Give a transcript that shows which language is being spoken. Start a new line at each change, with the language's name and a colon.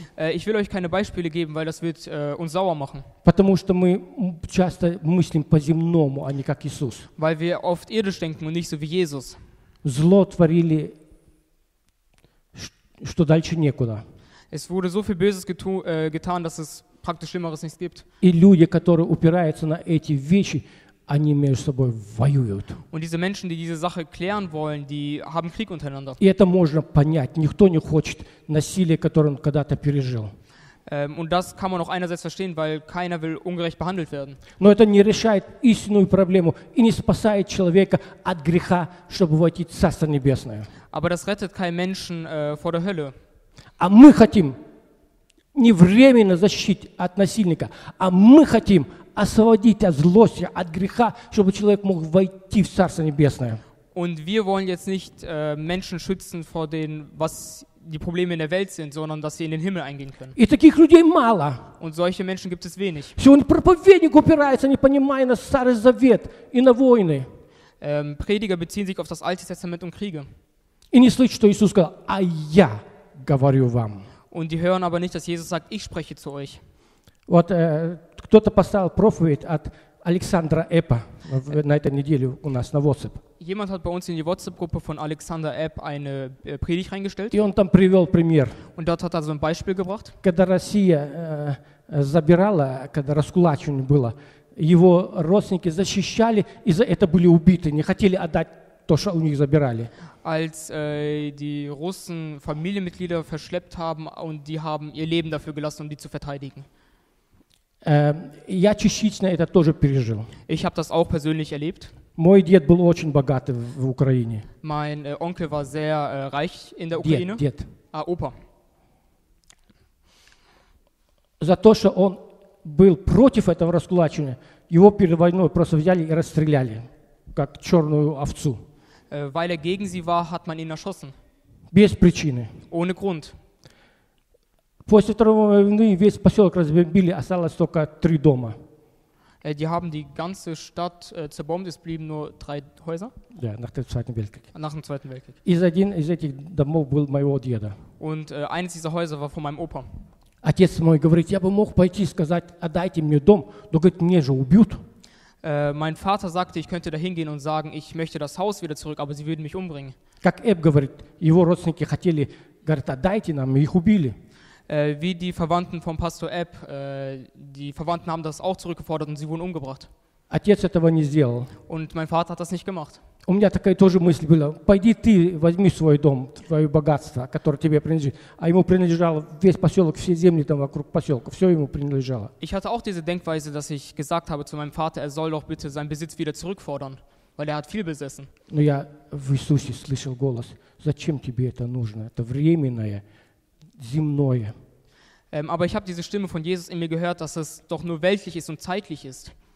German: Ich will euch keine Beispiele geben, weil das wird uns sauer machen.
Russian: Потому что мы часто мыслим по-земному, а не как Иисус.
German: Weil wir oft irdisch denken und nicht so wie Jesus.
Russian: Зло творили, что дальше некуда.
German: Es wurde so viel Böses getan, dass es praktisch Schlimmeres nichts gibt.
Russian: И люди, которые упираются на эти вещи, они между собой воюют.
German: Und diese Menschen, die diese Sache klären wollen, die haben Krieg untereinander.
Russian: И это можно понять. Никто не хочет насилия, которое он когда-то пережил.
German: Und das kann man auch einerseits verstehen, weil keiner will ungerecht behandelt werden.
Russian: Но это не решает истинную проблему и не спасает человека от греха, чтобы войти в Царство Небесное.
German: Aber das rettet keinen Menschen vor der Hölle.
Russian: А мы хотим не временно защитить от насильника, а мы хотим освободить от злости, от греха, чтобы человек мог войти в Царство Небесное.
German: Und wir wollen jetzt nicht Menschen schützen vor den, was die Probleme in der Welt sind, sondern dass sie in den Himmel eingehen können.
Russian: И таких людей мало.
German: Und solche Menschen gibt es wenig.
Russian: Сегодня проповедник упирается, не понимая на Старый Завет и на войны.
German: Prediger beziehen sich auf das Alte Testament und Kriege.
Russian: И не слышат, что Иисус сказал, а я говорю вам.
German: Und die hören aber nicht, dass Jesus sagt, ich spreche zu euch.
Russian: Вот кто-то поставил проповедь от Александра Эппа на этой неделе у нас на WhatsApp.
German: Jemand hat bei uns in die WhatsApp-Gruppe von Alexander Epp eine Predigt reingestellt.
Russian: И он там привел пример.
German: Und dort hat er so ein Beispiel gebracht.
Russian: Когда Россия забирала, когда раскулачивание было, его родственники защищали, и за это были убиты, не хотели отдать то, что у них забирали.
German: Als die Russen Familienmitglieder verschleppt haben und die haben ihr Leben dafür gelassen, um die zu verteidigen.
Russian: Я частично это тоже пережил.
German: Ich habe das auch persönlich erlebt.
Russian: Мой дед был очень богатый в Украине.
German: Mein Onkel war sehr reich in der Ukraine.
Russian: Дед.
German: Opa.
Russian: За то, что он был против этого раскулачивания, его перед войной просто взяли и расстреляли, как черную овцу.
German: Weil gegen sie war, hat man ihn erschossen.
Russian: Без причины.
German: Ohne Grund.
Russian: После Второй войны весь поселок разбомбили, осталось только 3 дома.
German: Die haben die ganze Stadt zerbombt, es blieben nur 3 Häuser. Ja, nach dem Zweiten Weltkrieg. Nach dem Zweiten Weltkrieg.
Russian: Из один из этих домов был моего деда.
German: Und eines dieser Häuser war von meinem Opa.
Russian: Отец мой говорит, я бы мог пойти и сказать, отдайте мне дом, но говорит, мне же убьют.
German: Mein Vater sagte, ich könnte da hingehen und sagen, ich möchte das Haus wieder zurück, aber sie würden mich umbringen.
Russian: Как Эб говорит, его родственники хотели, говорит, отдайте нам, их убили.
German: Wie die Verwandten von Pastor Epp, die Verwandten haben das auch zurückgefordert und sie wurden umgebracht.
Russian: Отец этого не сделал.
German: Und mein Vater hat das nicht gemacht.
Russian: У меня такая тоже мысль была, пойди ты, возьми свой дом, твое богатство, которое тебе принадлежит. А ему принадлежало весь поселок, все земли там вокруг поселка, все ему принадлежало.
German: Ich hatte auch diese Denkweise, dass ich gesagt habe zu meinem Vater, er soll doch bitte seinen Besitz wieder zurückfordern, weil er hat viel besessen.
Russian: Но я в Иисусе слышал голос, зачем тебе это нужно, это временное.
German: Aber ich habe diese Stimme von Jesus in mir gehört, dass es doch nur weltlich ist und zeitlich ist.